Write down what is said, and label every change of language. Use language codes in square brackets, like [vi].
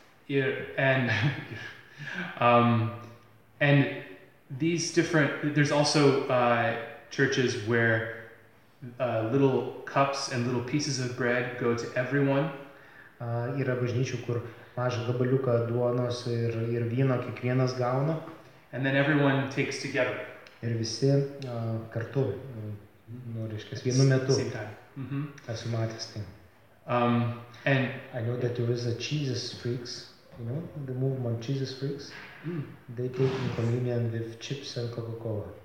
[en] Jėzus and these different, there's also churches where little cups and little pieces of bread go to everyone. [lt] Yra bažnyčių, kur mažą gabaliuką duonos ir vyno kiekvienas gauna. [en] And then everyone takes together. [lt] Ir visi kartu, nu, reiškia, vienu metu. [en] Same time. [lt] Esu matęs tai. [en] And I know that there is a Jesus freaks, you know, the movement Jesus freaks. They take communion with chips and Coca-Cola.